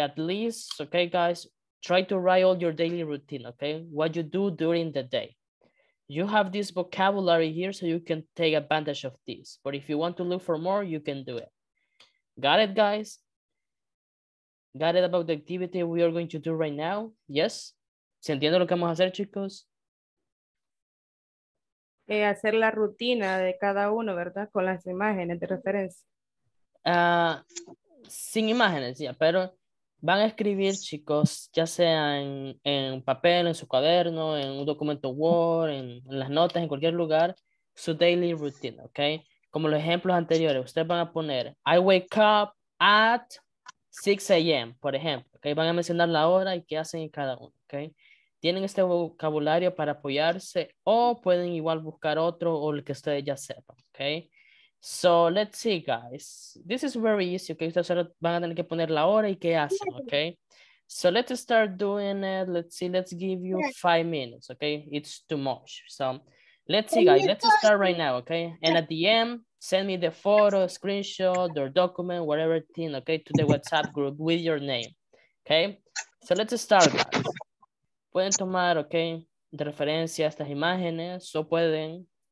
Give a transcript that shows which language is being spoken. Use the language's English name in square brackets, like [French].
[English] At least, okay, guys, try to write all your daily routine, okay? What you do during the day. You have this vocabulary here, so you can take advantage of this. But if you want to look for more, you can do it. Got it, guys? Got it about the activity we are going to do right now? Yes? [Spanish] ¿Se entiende lo que vamos a hacer, chicos? Hacer la rutina de cada uno, ¿verdad? Con las imágenes de referencia. Sin imágenes, ya, pero Van a escribir, chicos, ya sea en papel, en su cuaderno, en un documento Word, en las notas, en cualquier lugar, su daily routine, ¿ok? Como los ejemplos anteriores, ustedes van a poner, [English] I wake up at 6 a.m., [Spanish] por ejemplo, ¿ok? Van a mencionar la hora y qué hacen en cada uno, ¿ok? Tienen este vocabulario para apoyarse o pueden igual buscar otro o el que ustedes ya sepan, ¿ok? [English] So, let's see, guys. This is very easy, okay? [Spanish] Ustedes solo van a tener que poner la hora y qué hacen, okay? [English] So, let's start doing it. Let's see. Let's give you 5 minutes, okay? It's too much. So, let's see, guys. Let's start right now, okay? And at the end, send me the photo, screenshot, or document, whatever thing, okay, to the WhatsApp group with your name, okay? So, let's start, guys. [Spanish] Pueden tomar, okay, de referencia estas imágenes o pueden...